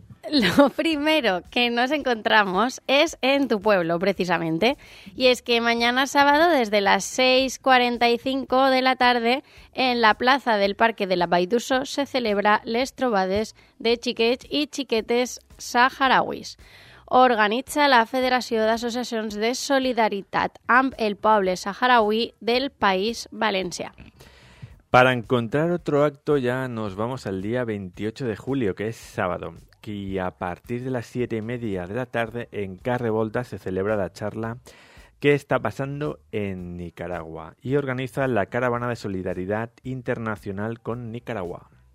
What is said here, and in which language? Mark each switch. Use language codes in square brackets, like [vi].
[es] Lo primero que nos encontramos es en tu pueblo, precisamente. Y es que mañana sábado, desde las 6:45 de la tarde, en la plaza del Parque de la Baiduso, se celebra Les Trobades de Xiquets i Xiquetes Saharauis. [ca] Organitza la Federació d'Associacions de Solidaritat amb el Poble Saharaui del País Valencià. [es] Para encontrar otro acto, ya nos vamos al día 28 de julio, que es sábado. Y a partir de las 7:30 de la tarde, en Carrevolta se celebra la charla ¿Qué está pasando en Nicaragua? Y organiza la Caravana de Solidaridad Internacional con Nicaragua.